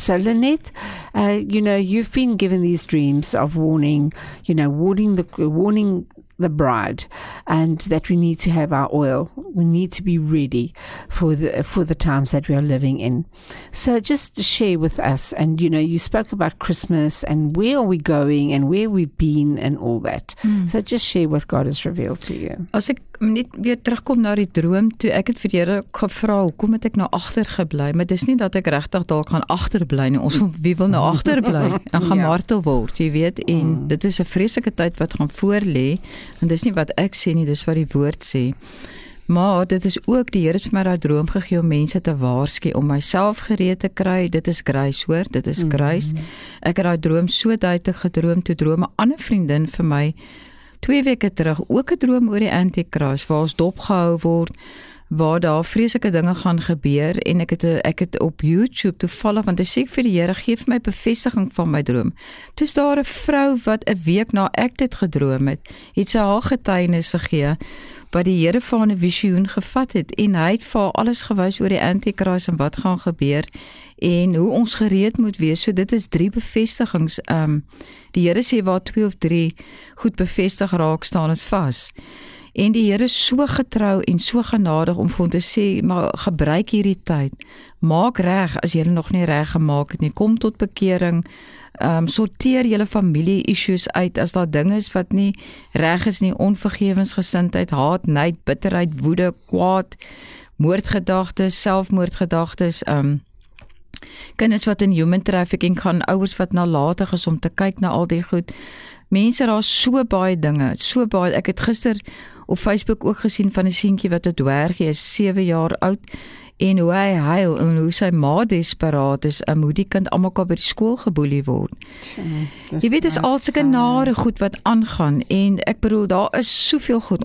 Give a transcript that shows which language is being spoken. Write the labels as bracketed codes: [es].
[en] So Lynette, you know, you've been given these dreams of warning, you know, warning the bride, and that we need to have our oil. We need to be ready for the times that we are living in. So just share with us, and you know, you spoke about Christmas and where are we going and where we've been and all that. So just share what God has revealed to you. [af] As ek net weer terugkom na die droom, toe ek het vir die Here gevra, hoekom het ek nou agter gebly? Maar dis nie dat ek regtig daar gaan agter bly nie. Ons wie wil nou agter bly en gaan martel word, jy weet, en dit is 'n vreeslike tyd wat gaan voorlê. En dis nie wat ek sê nie, dis wat die woord sê. Maar dit is ook, die Here het vir my daai droom gegee om mense te waarsku, om myself gereed te kry. Dit is grys, hoor, dit is grys. Ek het daai droom so duidelik gedroom, toe droom 'n ander vriendin vir my 2 weke terug ook 'n droom oor die Antichrist, waar ons dopgehou word, waar daar vreselike dinge gaan gebeur. En ek het op YouTube toevallig, want ek sê vir die Here, gee vir my bevestiging van my droom. Toe is daar 'n vrou wat 'n week na ek dit gedroom het, het sy haar getuienisse gee, wat die Here van 'n visioen gevat het, en hy het vir haar alles gewys oor die Antichrist en wat gaan gebeur en hoe ons gereed moet wees. So dit is 3 bevestigings. Die Here sê waar 2 of 3 goed bevestig raak, staan het vas. En die Here is so getrou en so genadig om vir ons te sê, maar gebruik hierdie tyd. Maak reg as jy nog nie reg gemaak het nie. Kom tot bekering. Sorteer jylle familie issues uit as daar dinge is wat nie reg is nie. Onvergewensgesindheid, haat, nait, bitterheid, woede, kwaad, moordgedagtes, selfmoordgedagtes. Kinders wat in human trafficking gaan, ouers wat nalatig is om te kyk na al die goed. Mense, daar is so baie dinge, so baie. Ek het gister op Facebook ook gesien van 'n seentjie wat 'n dwergie is, 7 jaar oud, en hoe hy huil en hoe sy ma desperaat is om hoe die kind almal by die skool geboelie word. Jy weet, dis al sulke nare goed wat aangaan, en ek bedoel, daar is soveel goed.